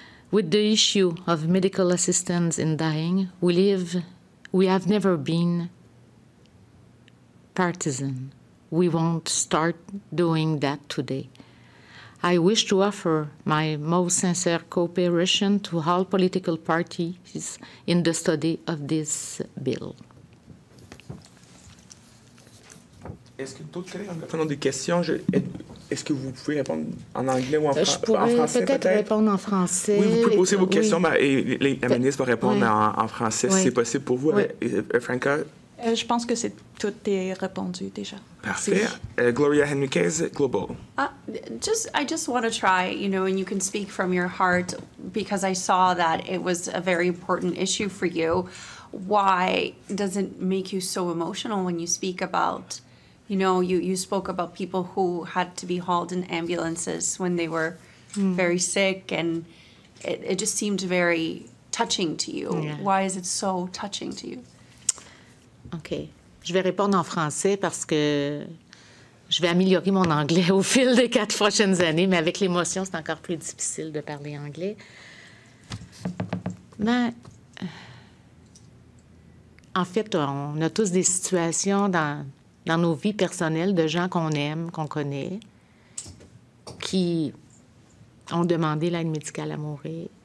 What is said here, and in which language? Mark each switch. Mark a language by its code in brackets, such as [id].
[en] With the issue of medical assistance in dying, we have never been partisan. We won't start doing that today. I wish to offer my most sincere cooperation to all political parties in the study of this bill. [fr] Est-ce que d'autres collègues anglophones ont des questions? Est-ce que vous pouvez répondre en anglais ou en français? Je pourrais peut-être répondre en français. Oui, vous pouvez poser vos questions, oui. La ministre va répondre en français, oui. Si c'est possible pour vous. Oui. Franca? Je pense que c'est tout est répondu déjà. Parfait. Gloria Henriquez, Global. [en] I just want to try, you know, and you can speak from your heart, because I saw that it was a very important issue for you. Why does it make you so emotional when you speak about, you know, you spoke about people who had to be hauled in ambulances when they were very sick, and it just seemed very touching to you. Yeah. Why is it so touching to you? OK. [fr] Je vais répondre en français parce que je vais améliorer mon anglais au fil des 4 prochaines années, mais avec l'émotion, c'est encore plus difficile de parler anglais. Mais en fait, on a tous des situations dans nos vies personnelles de gens qu'on aime, qu'on connaît, qui ont demandé l'aide médicale à mourir.